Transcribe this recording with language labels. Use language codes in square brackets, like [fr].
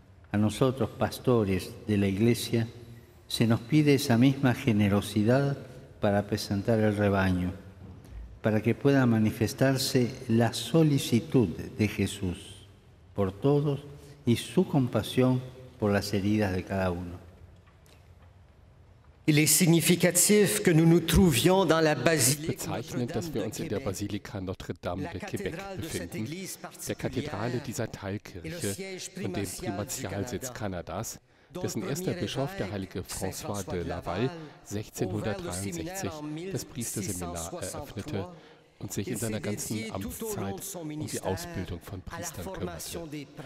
[es] A nosotros, pastores de la Iglesia, se nos pide esa misma generosidad para apacentar el rebaño, para que pueda manifestarse la solicitud de Jesús por todos y su compasión por las heridas de cada uno. [fr] Il est significatif que nous nous trouvions dans la basilique [de] bezeichnend, dass wir uns in der Basilika Notre-Dame de Québec befinden, der Kathedrale dieser Teilkirche und dem Primatialsitz Kanadas, dessen erster Bischof, der heilige François de Laval, 1663 das Priesterseminar eröffnete und sich in seiner ganzen Amtszeit um die Ausbildung von Priestern kümmerte.